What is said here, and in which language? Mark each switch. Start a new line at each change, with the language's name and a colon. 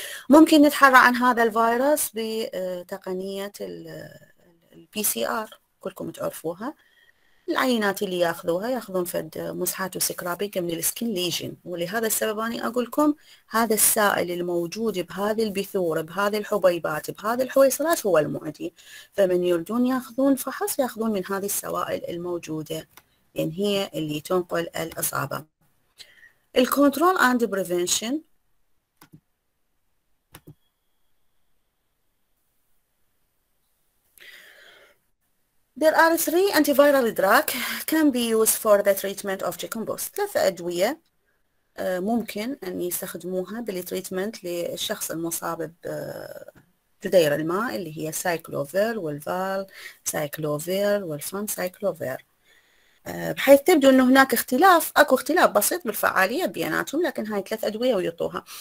Arabic: ممكن نتحرى عن هذا الفيروس بتقنيه البي سي ار، كلكم تعرفوها، العينات اللي ياخذوها ياخذون فد مسحات وسكرابيك من السكين ليجن، ولهذا السبب انا اقولكم هذا السائل الموجود بهذه البثور بهذه الحبيبات بهذه الحويصلات هو المعدي، فمن يريدون ياخذون فحص ياخذون من هذه السوائل الموجوده لان هي اللي تنقل الاصابه.
English: الكنترول and prevention, There are three antiviral drugs can be used for the treatment of chicken pox.
Arabic: ثلاث أدوية ممكن أن يستخدموها بالتريتمنت للشخص المصاب بتدير الماء، اللي هي سايكلوفير والفال سايكلوفير والفان سايكلوفير، بحيث تبدو أنه هناك اختلاف، أكو اختلاف بسيط بالفعالية بيناتهم، لكن هاي ثلاث أدوية ويعطوها.